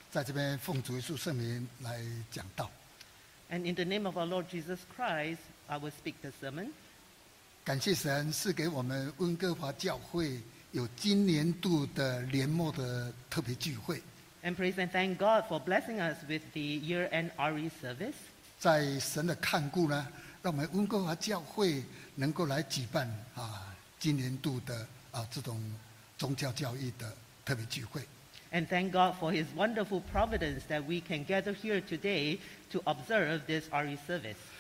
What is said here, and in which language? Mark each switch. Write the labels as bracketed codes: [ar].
[en] And in the name of our Lord Jesus Christ, I will speak the sermon. [zh] 感谢神赐给我们温哥华教会有今年度的年末的特别聚会。 [en] And praise and thank God for blessing us with the year-end RE service. [zh] 在神的看顾呢，让我们温哥华教会能够来举办啊今年度的啊这种宗教教育的特别聚会。 [en] And thank God for His wonderful providence that we can gather here today to observe this RE service.